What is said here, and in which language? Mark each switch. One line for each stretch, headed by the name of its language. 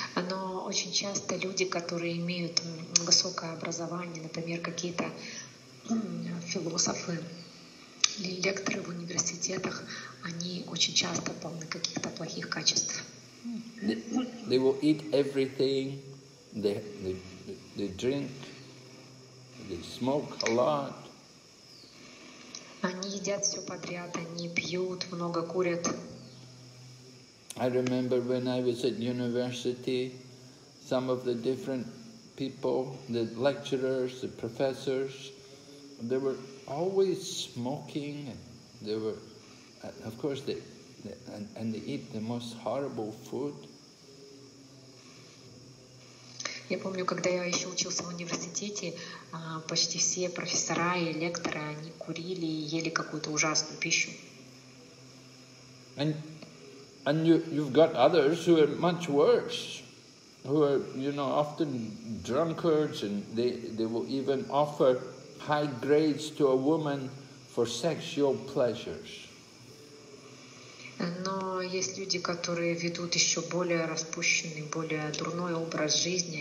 Russian: Но очень часто люди, которые имеют высокое образование, например, какие-то философы или лекторы в университетах, они очень часто полны каких-то плохих качеств.
English: They will eat everything, they drink, they smoke a lot.
Russian: Они едят все подряд, они пьют, много курят.
English: I remember when I was at university, some of the different people, the lecturers, the professors, they were always smoking, and they were, of course, and they eat the most horrible food.
Russian: Я помню, когда я еще учился в университете, почти все профессора и лекторы, они курили и ели какую-то ужасную пищу.
English: And you've got others who are much worse, who are, you know, often drunkards, and they will even offer high grades to a woman for sexual pleasures.
Russian: Но есть люди, которые ведут еще более распущенный, более дурной образ жизни.